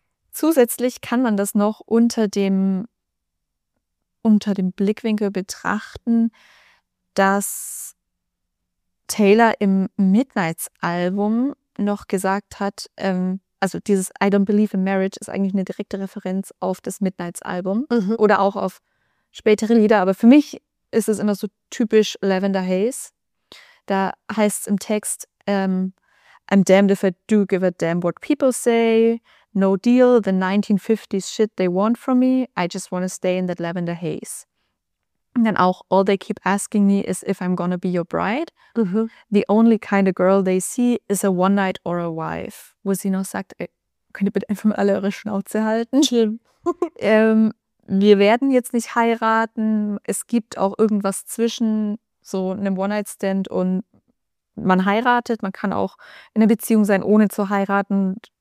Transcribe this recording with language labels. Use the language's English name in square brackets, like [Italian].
[German] Zusätzlich kann man das noch unter dem Blickwinkel betrachten, dass Taylor im Midnights-Album noch gesagt hat, also dieses [English] I don't believe in marriage [German] ist eigentlich eine direkte Referenz auf das Midnights-Album, mhm, oder auch auf spätere Lieder, aber für mich ist es immer so typisch Lavender Haze. Da heißt es im Text, [English] I'm damned if I do give a damn what people say, no deal, the 1950s shit they want from me, I just want to stay in that Lavender Haze. [German] Und dann auch, [English] all they keep asking me is if I'm gonna be your bride. Mhm. The only kind of girl they see is a one night or a wife. [German] Wo sie noch sagt, könnt ihr bitte einfach mal alle eure Schnauze halten? Schlimm. Wir werden jetzt nicht heiraten. Es gibt auch irgendwas zwischen so einem One Night Stand und man heiratet. Man kann auch in einer Beziehung sein, ohne zu heiraten.